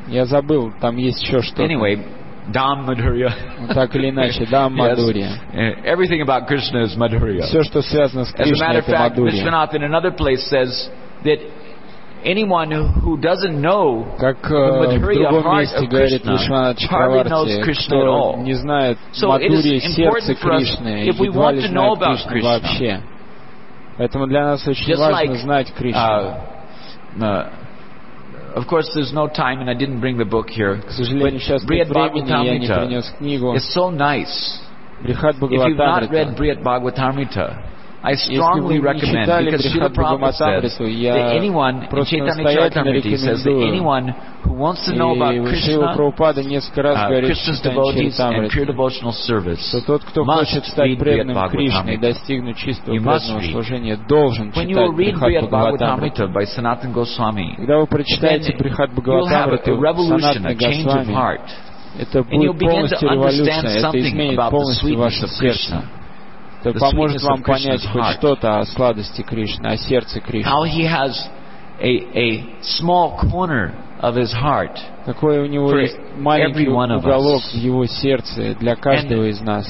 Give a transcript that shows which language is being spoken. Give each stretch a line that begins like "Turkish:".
Russian: Я забыл, там есть еще что-то.
English: Anyway, Dham Madhurya.
Russian: Так или иначе, Dham Madhurya.
English: Everything about Krishna is Madhurya.
Russian: Все, что связано с Кришной,
English: as a matter of fact, Vishwanath in another place says that anyone who doesn't know the Madhurya heart of Krishna hardly knows Krishna at all.
Russian: Не знает Мадхурья сердца Кришны,
English: if we want to know about Krishna
Russian: вообще. Поэтому для нас очень важно знать Кришну.
English: Of course, there's no time, and I didn't bring the book here.
Russian: К сожалению, сейчас нет времени, я не принес книгу.
English: It's so nice.
Russian: Брихат Бхагаватамрита.
English: If you've not read Brihat Bhagavatamrita, I strongly recommend, because Srila Prabhupada says that anyone, in Chaitanya Charitamrita, he says that anyone who wants to know about Krishna, Krishna's devotees and pure devotional service, must read Brihat Bhagavatamrita. When you will read Brihat Bhagavatamrita by Sanatana Goswami, then you will have a revolution, a change of heart, and you'll begin to understand something about the sweetness of Krishna.
Russian: Это поможет вам понять хоть что-то о сладости Кришны, о сердце Кришны.
English: How he has a small corner of his heart.
Russian: Какой у него есть маленький уголок в его сердце для каждого из нас.